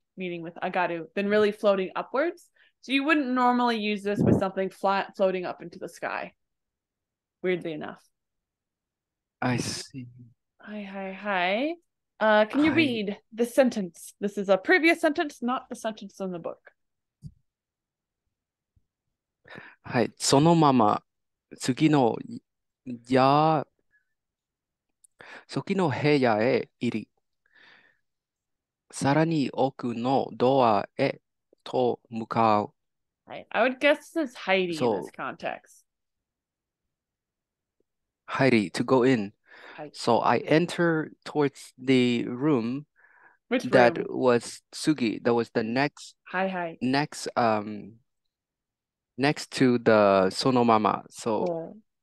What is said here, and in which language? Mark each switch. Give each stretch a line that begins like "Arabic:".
English: Meaning with agaru, then really floating upwards. So you wouldn't normally use this with something flat floating up into the sky. Weirdly enough. I see. Hi, hi, hi. Can you read the sentence? This is a previous sentence, not the sentence in the book. Hi.
Japanese: そのまま次の屋、次の部屋へ入り。さらに奥のドアへと向かう。
English: Right. I would guess this is Heidi in this context. Heidi, to go in. Heidi. So I enter towards the room. Which room? That was Sugi. That was the next. Hi, hi. Next, next to the Sono Mama. So,